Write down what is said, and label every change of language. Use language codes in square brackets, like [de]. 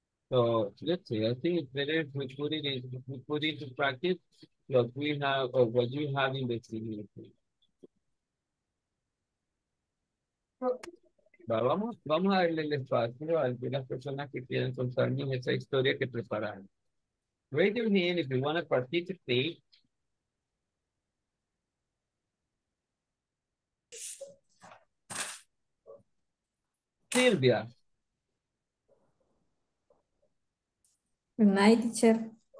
[en] So let's see. I think it's better if we put into practice what we have or what you have in the community. [es] Vamos a darle el espacio a algunas personas que quieren contarnos esa historia que prepararon. [en] Raise your hand if you want to participate. Silvia. Good night, teacher.